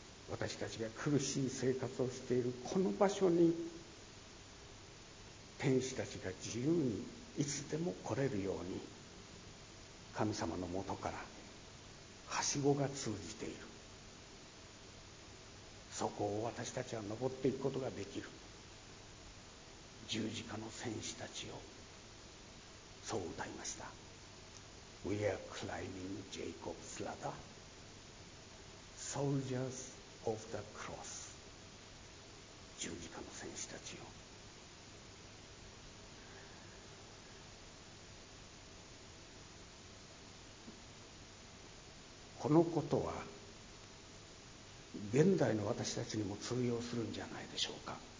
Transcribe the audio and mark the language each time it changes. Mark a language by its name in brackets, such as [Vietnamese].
[Japanese] 私たちが苦しい生活をしているこの場所に天使たちが自由にいつでも来れるように、神様のもとからはしごが通じている。そこを私たちは登っていくことができる。十字架の戦士たちをそう歌いました。 [English] We are climbing Jacob's ladder, soldiersOf the cross. [Japanese] 十字架の戦士たちよ、このことは現代の私たちにも通用するんじゃないでしょうか。